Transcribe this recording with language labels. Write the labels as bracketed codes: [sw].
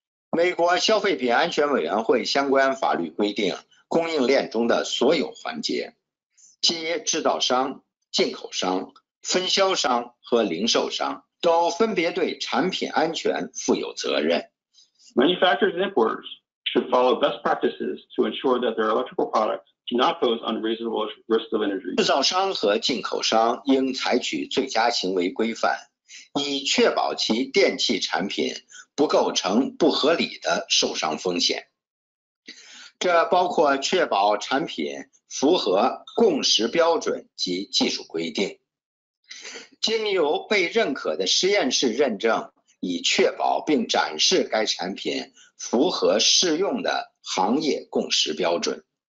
[zh] 美国消费品安全委员会相关法律规定，供应链中的所有环节，即制造商、进口商、分销商和零售商，都分别对产品安全负有责任。 [en] Manufacturers and importers should follow best practices to ensure that their electrical products do not pose unreasonable risk of injury. [zh] 制造商和进口商应采取最佳行为规范，以确保其电器产品不构成不合理的受伤风险。这包括确保产品符合共识标准及技术规定，经由被认可的实验室认证，以确保并展示该产品符合适用的行业共识标准，